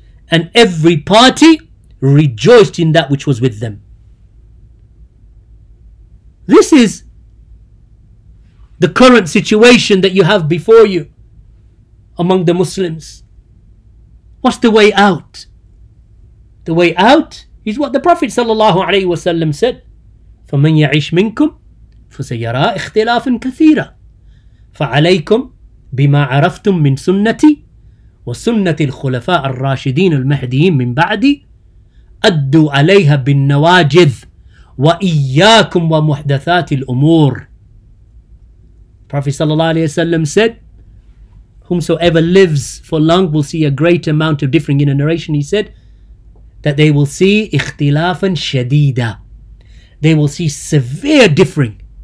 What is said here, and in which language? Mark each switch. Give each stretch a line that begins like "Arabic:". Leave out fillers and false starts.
English: And every party rejoiced in that which was with them. This is the current situation that you have before you among the Muslims. What's the way out? The way out is what the Prophet sallallahu alaihi wasallam said,
Arabic: فَمَنْ يَعِشْ مِنْكُمْ فَسَيَرَى إِخْتِلَافٍ كَثِيرًا فَعَلَيْكُمْ بِمَا عَرَفْتُمْ مِنْ سُنَّتِي وَسُنَّةِ الْخُلَفَاءِ الرَّاشِدِينَ الْمَهْدِيِينَ مِنْ بَعْدِي أدوا عليها بالنواجذ وإياكم ومحدثات الأمور.
English: Prophet sallallahu alaihi wasallam said, whomsoever lives for long will see a great amount of differing. In a narration he said that they will see
Arabic: ikhtilafan shadida,
English: they will see severe differing.